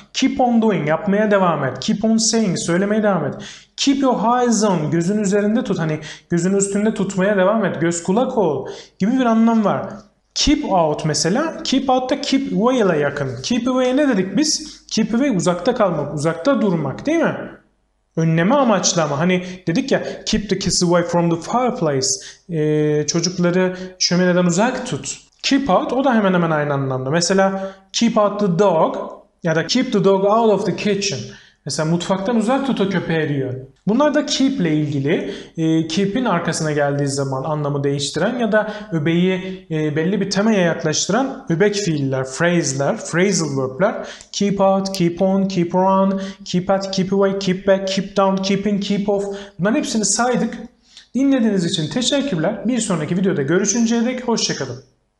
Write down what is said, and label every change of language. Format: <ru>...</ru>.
<en>Keep on doing,</en> <tr>yapmaya devam et.</tr> <en>Keep on saying,</en> <tr>söylemeye devam et.</tr> <en>Keep your eyes on,</en> <tr>gözün üzerinde tut. Hani gözün üstünde tutmaya devam et. Göz kulak ol gibi bir anlam var. Keep out mesela. Keep out da keep away ile yakın. Keep away ne dedik biz? Keep away uzakta kalmak, uzakta durmak değil mi? Önleme amaçlama. Hani dedik ya</tr> <en>keep the kids away from the fireplace.</en> <tr>Çocukları şömineden uzak tut. Keep out o da hemen hemen aynı anlamda.</tr> <en>Mesela keep out the dog ya da keep the dog out of the kitchen.</en> <tr>Mesela mutfaktan uzak tut o köpeği diyor. Bunlar da keep ile ilgili. Keep'in arkasına geldiği zaman anlamı değiştiren ya da öbeği belli bir temaya yaklaştıran öbek fiiller, phrase'ler, phrasal verb'ler.</tr> <en>Keep out, keep on, keep around, keep at, keep away, keep back, keep down, keep in, keep off.</en> <tr>Bunların hepsini saydık. Dinlediğiniz için teşekkürler. Bir sonraki videoda görüşünceye dek hoşçakalın.</tr>